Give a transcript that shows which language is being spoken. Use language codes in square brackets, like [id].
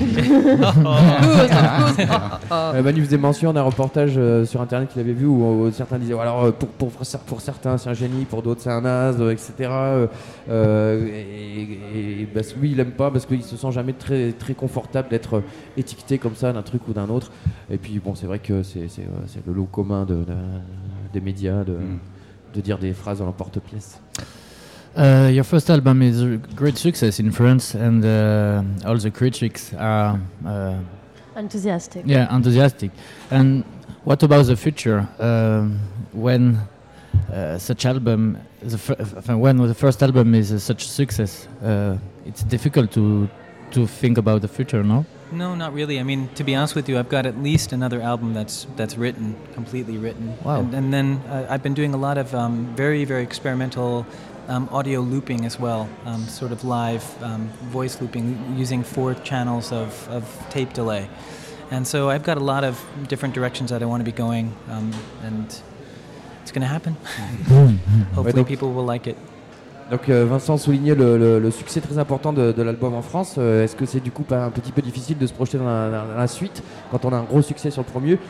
[fr] Manu faisait mention d'un reportage sur internet qu'il avait vu où certains disaient alors pour certains c'est un génie, pour d'autres c'est un naze, etc. Lui il aime pas parce qu'il se sent jamais très très confortable d'être étiqueté comme ça d'un truc ou d'un autre. Et puis bon, c'est vrai que c'est le lot commun des médias de dire des phrases à l'emporte-pièce. [en] Your first album is a great success in France, and all the critics are enthusiastic. Yeah, enthusiastic. And what about the future? When such album, when the first album is such a success, it's difficult to think about the future, no? No, not really. I mean, to be honest with you, I've got at least another album that's written, completely written. Wow. And then I've been doing a lot of very, very experimental audio looping as well, sort of live voice looping, using four channels of tape delay. And so I've got a lot of different directions that I want to be going, and it's going to happen. Hopefully people will like it. [fr] Donc Vincent soulignait le succès très important de l'album en France. Est-ce que c'est du coup un petit peu difficile de se projeter dans la suite quand on a un gros succès sur le premier?